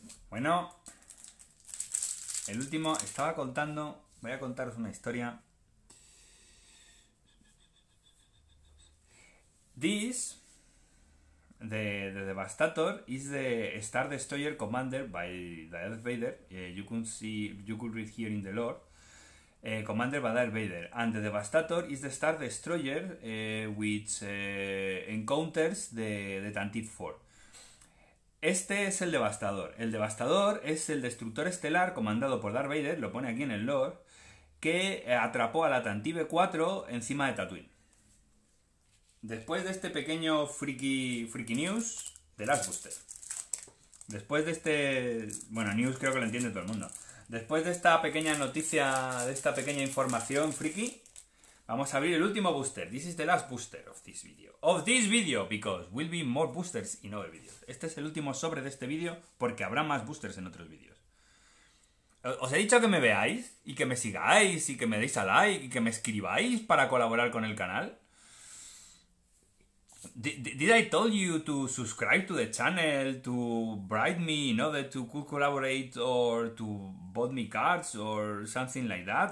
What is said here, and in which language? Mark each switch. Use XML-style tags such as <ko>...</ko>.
<es>Bueno, el último, estaba contando, voy a contaros una historia.</es> <en>This, de Devastator, is the Star Destroyer commanded by Darth Vader. You could see, you could read here in the lore. Commander by Darth Vader. And the Devastator is the Star Destroyer which encounters the Tantive IV.</en> <es>Este es el Devastador. El Devastador es el destructor estelar comandado por Darth Vader, lo pone aquí en el lore, que atrapó a la Tantive IV encima de Tatooine. Después de este pequeño freaky news,</es> <en>The Last Booster.</en> <es>Después de este... Bueno, news creo que lo entiende todo el mundo. Después de esta pequeña noticia, de esta pequeña información freaky, vamos a abrir el último booster.</es> <en>This is the last booster of this video. Of this video, because will be more boosters in other videos.</en> <es>Este es el último sobre de este vídeo, porque habrá más boosters en otros vídeos. Os he dicho que me veáis, y que me sigáis, y que me deis a like, y que me escribáis para colaborar con el canal.</es> <en>Did I tell you to subscribe to the channel, to bribe me, in order to collaborate, or to bought me cards, or something like that?</en>